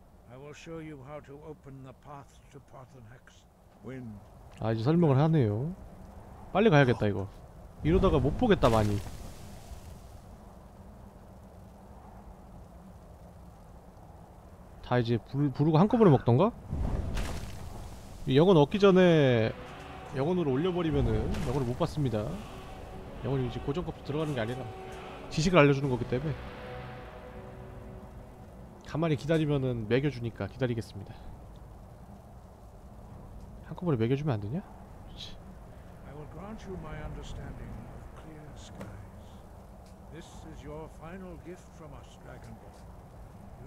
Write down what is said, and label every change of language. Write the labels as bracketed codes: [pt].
[en] I will show you how to open the path to Parthenax. [ko] 아 이제 설명을 하네요. 빨리 가야겠다 이거. 이러다가 못 보겠다 많이. 다 이제 부르고 한꺼번에 먹던가? 영혼 얻기 전에 영혼으로 올려버리면은 영혼을 못 받습니다. 영혼이 이제 고정값 들어가는 게 아니라 지식을 알려주는 거기 때문에 가만히 기다리면은 매겨주니까 기다리겠습니다. 한꺼번에 매겨주면 안 되냐? 그렇지. [en] I will grant you my understanding of clear skies. This is your final gift from us, Dragonborn.